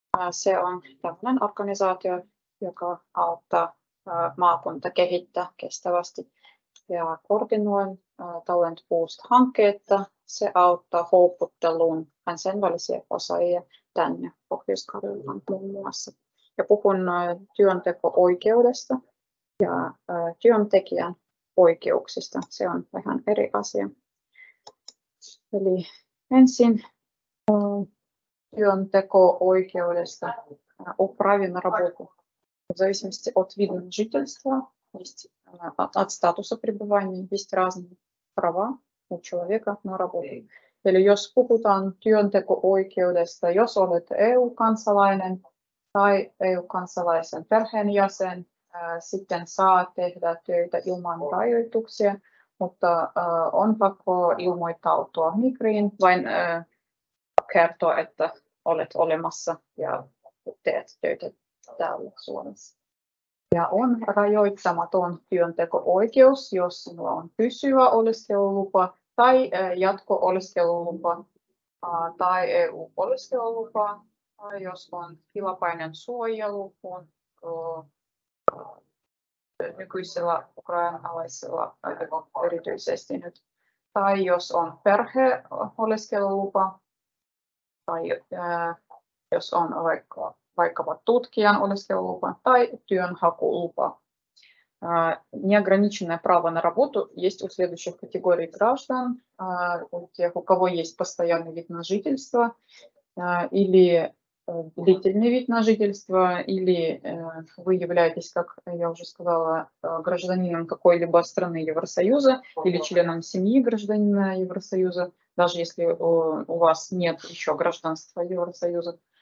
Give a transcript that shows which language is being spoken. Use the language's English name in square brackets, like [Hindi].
[Finnish] Se on tämmöinen organisaatio, joka auttaa maakunta kehittää kestävästi ja koordinoin Talent Boost-hankkeetta. Se auttaa houkutteluun kansainvälisiä osaajia tänne Pohjois-Karjalaan muun muassa. Ja puhun työnteko-oikeudesta ja työntekijän oikeuksista. Se on vähän eri asia. Eli ensin työnteko-oikeudesta [Russian] управлена работой в зависимости от вида жительства. От статуса пребывания есть разные права у человека на работу. [Finnish] Или jos puhutaan työnteko-oikeudesta, jos olet EU-kansalainen tai EU-kansalaisen perheenjäsen, sitten saa tehdä töitä ilman rajoituksia, mutta on pakko ilmoittautua Migriin, vain kertoa, että olet olemassa ja teet töitä täällä Suomessa. Ja on rajoittamaton työnteko-oikeus, jos sinulla on pysyvä oleskelulupa tai jatko-oleskelulupa tai EU-oleskelulupa, tai jos on tilapäinen suojelu, kun nykyisellä ukrainalaisella erityisesti nyt, tai jos on perheoleskelulupa, tai jos on vaikkapa tutkijan oleskelulupa tai työnhakulupa. [Russian] Неограниченное право на работу есть у следующих категорий граждан, у тех, у кого есть постоянный вид на жительство, или длительный вид на жительство, или вы являетесь, как я уже сказала, гражданином какой-либо страны Евросоюза, или членом семьи гражданина Евросоюза, даже если у вас нет еще гражданства Евросоюза.